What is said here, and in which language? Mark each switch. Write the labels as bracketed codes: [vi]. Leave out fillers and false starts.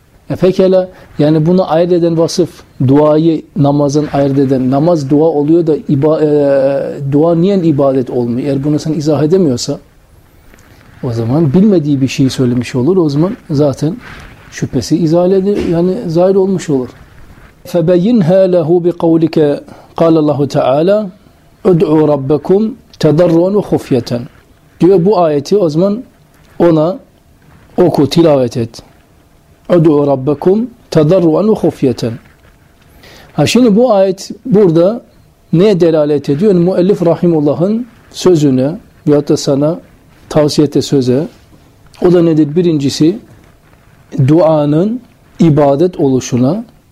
[tr] E pekala yani bunu ayırt eden vasıf, duayı namazın ayırt eden, namaz dua oluyor da dua niye ibadet olmuyor? Eğer bunu sen izah edemiyorsa o zaman bilmediği bir şeyi söylemiş olur. O zaman zaten şüphesi izalede yani zahir olmuş olur. [ar] فَبَيِّنْهَا لَهُ بِقَوْلِكَ قَالَ اللّٰهُ تَعَالَى اُدْعُوا رَبَّكُمْ تَدَرُّعًا وَخُفْيَةً [tr] diyor bu ayeti o zaman ona oku, tilavet et. [ar] اُدْعُوا رَبَّكُمْ تَدَرُّعًا وَخُفْيَةً. [tr] Ha şimdi bu ayet burada neye delalet ediyor? Yani müellif rahimullah'ın sözüne ya da sana tavsiyete söze o da nedir? Birincisi duanın ibadet oluşuna.